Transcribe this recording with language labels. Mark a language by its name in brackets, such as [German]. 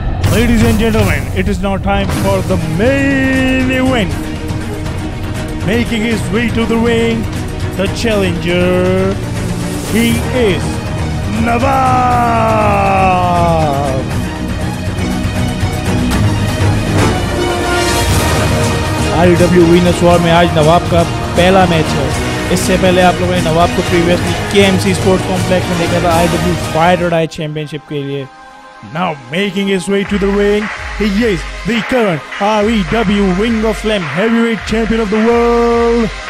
[English] Ladies and gentlemen, it is now time for the main event. Making his way to the ring, the challenger, he is Nawab. [Hindi] IW Winner Swarm में आज नवाब का पहला match है। इससे पहले आप लोगों ने नवाब को previously KMC Sports Complex में देखा था IW Fight or Die Championship के लिए। [English] Now making his way to the ring, he is the current IW Ring of Flame Heavyweight Champion of the World.